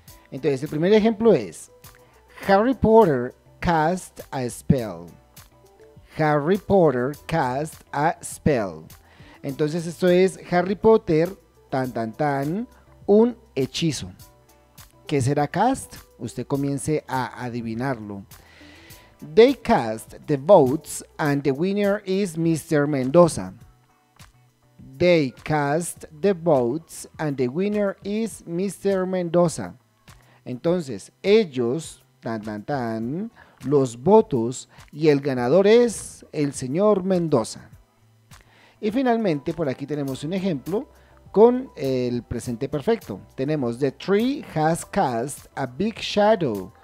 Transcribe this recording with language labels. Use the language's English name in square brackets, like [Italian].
[Spanish] Entonces, el primer ejemplo es: Harry Potter [English] cast a spell. Harry Potter cast a spell. [Spanish] Entonces, esto es Harry Potter, tan tan tan, un hechizo. ¿Qué será cast? Usted comience a adivinarlo. [English] They cast the votes and the winner is Mr. Mendoza. They cast the votes and the winner is Mr. Mendoza. [Spanish] Entonces, ellos, tan tan tan, los votos y el ganador es el señor Mendoza. Y finalmente, por aquí tenemos un ejemplo con el presente perfecto. [English] Tenemos: The tree has cast a big shadow.